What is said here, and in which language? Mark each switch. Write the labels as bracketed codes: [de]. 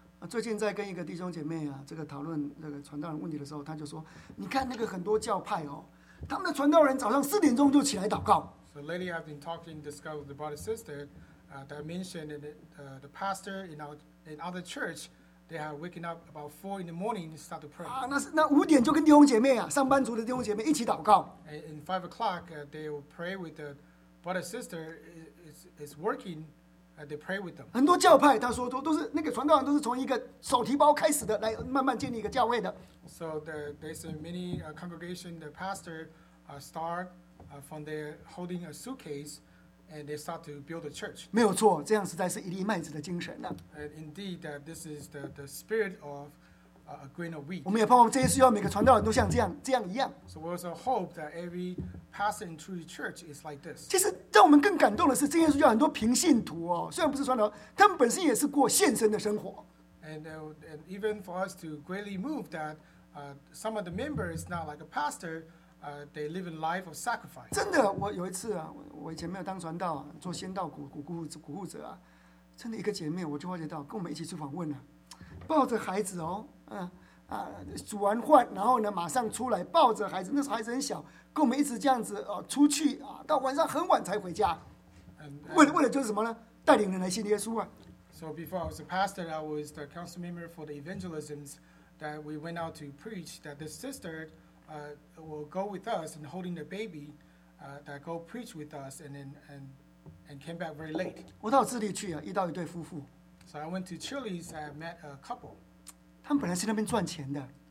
[zh] 最近在跟一个弟兄姐妹啊，这个讨论那个传道人问题的时候，他就说：“你看那个很多教派哦，他们的传道人早上四点钟就起来祷告。” [en] So lately I've been talking this guy with the brother sister. That I mentioned the pastor in other church, they are waking up about 4 in the morning to start to pray. [zh] 那五点就跟弟兄姐妹啊，上班族的弟兄姐妹一起祷告。 [en] In 5 o'clock, they will pray with the brother sister is working, they pray with them. [zh] 很多教派他说都是那个传道人都是从一个手提包开始的，来慢慢建立一个教会的。 [en] So there's many congregation, the pastor start from there holding a suitcase. And they start to build a church. [zh] 没有错，这样实在是一粒麦子的精神呐。 [en] And indeed, that this is the spirit of a grain of wheat. [zh] 我们也盼望这些需要每个传道人都像这样一样。 [en] So we also hope that every pastor in true church is like this. [zh] 其实让我们更感动的是，这些需要很多平信徒哦，虽然不是传道，他们本身也是过献身的生活。 [en] And even for us to greatly move that, some of the members not like a pastor. They live a life of sacrifice. [zh] 真的，我有一次啊，我以前没有当传道啊，做先道古护者啊，真的一个姐妹，我就发觉到跟我们一起去访问了、啊，抱着孩子哦，煮完饭，然后呢，马上出来抱着孩子，那时候孩子很小，跟我们一直这样子出去啊，到晚上很晚才回家。为了就是什么呢？带领人来信耶稣啊。 [en] So before I was a pastor, I was the council member for the evangelisms that we went out to preach. That the sister. Will go with us and holding the baby, that go preach with us and came back very late. [zh] 我到智利去啊，遇到一对夫妇。 [en] So I went to Chile's. I met a couple. [zh] 他们本来是那边赚钱的。